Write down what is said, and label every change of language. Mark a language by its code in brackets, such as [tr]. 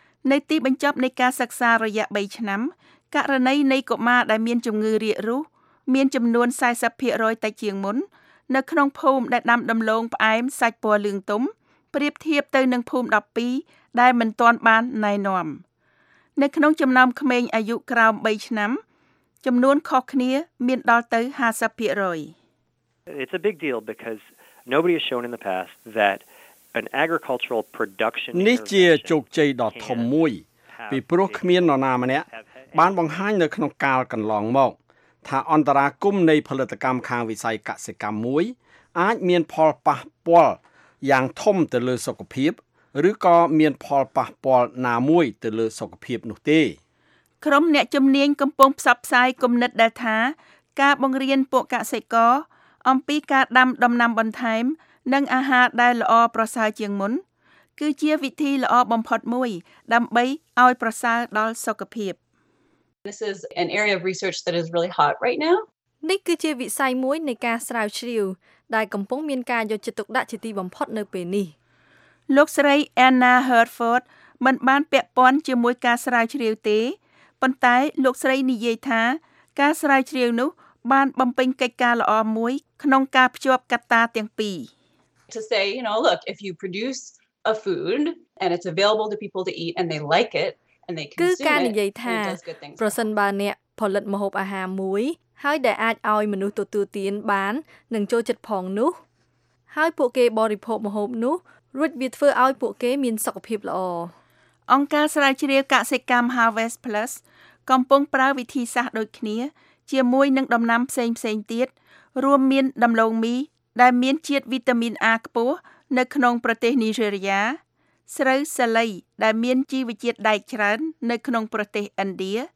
[km] នៅទីបញ្ចប់នៃការសិក្សារយៈ3ឆ្នាំករណីនៃកុមារដែលមានជំងឺរាករូសមានចំនួន 40% តិចជាងមុននៅក្នុងភូមិដែលដាំដំឡូងផ្អែមសាច់ពណ៌លឿងទុំប្រៀបធៀបទៅនឹងភូមិ12ដែលមិនទាន់បានណែនាំនៅក្នុងចំណោមក្មេងអាយុក្រោម3ឆ្នាំចំនួនខុសគ្នាមានដល់ទៅ 50% [en] It's a big deal because nobody has shown in the past that an agricultural production [km] នេះជាជោគជ័យដ៏ធំមួយពីព្រោះគ្មាននរណាម្នាក់បានបង្ហាញនៅក្នុងកាលកន្លងមកថាអន្តរាគមន៍នៃផលិតកម្មខាងវិស័យកសិកម្មមួយអាចមានផលប៉ះពាល់យ៉ាងធំទៅលើសុខភាពឬក៏មានផលប៉ះពាល់ណាមួយទៅលើសុខភាពនោះទេ ក្រុមអ្នកជំនាញកំពុងផ្សព្វផ្សាយគំនិតដែលថាការបង្រៀនពួកកសិករអំពីការដាំដំណាំបន្ថែមនិងអាហារដែលល្អប្រសើរជាងមុនគឺជាវិធីល្អបំផុតមួយដើម្បីឲ្យប្រសើរដល់សុខភាព [en] This is an area of research that is really hot right now. [km] នេះគឺជាវិស័យមួយនៃការស្រាវជ្រាវដែលកំពុងមានការយកចិត្តទុកដាក់ជាទីបំផុតនៅពេលនេះ ។លោកស្រី Anna Hertford មិនបានពាក់ព័ន្ធជាមួយការស្រាវជ្រាវទេប៉ុន្តែលោកស្រីនិយាយថាការស្រាវជ្រាវនោះបានបំពេញកិច្ចការល្អមួយក្នុងការភ្ជាប់កត្តាទាំងពីរ [en] ។ To say, you know, look, if you produce a food and it's available to people to eat and they like it [km] គឺការនិយាយថាប្រសិនបើអ្នកផលិតម្ហូបអាហារមួយហើយដែលអាចឲ្យមនុស្សទទួលទានបាននិងចូលចិត្តផងនោះហើយពួកគេបរិភោគម្ហូបនោះរួចវាធ្វើឲ្យពួកគេមានសុខភាពល្អ អង្គការស្រាវជ្រាវកសិកម្ម Harvest Plus កំពុងប្រើវិធីសាស្ត្រដូចគ្នាជាមួយនឹងដំណាំផ្សេងៗទៀតរួមមានដំឡូងមីដែលមានជាតិវីតាមីន A ខ្ពស់នៅក្នុងប្រទេសនីជេរីយ៉ាស្រូវសាលីដែលមានជីវជាតិដែកច្រើននៅក្នុងប្រទេសឥណ្ឌា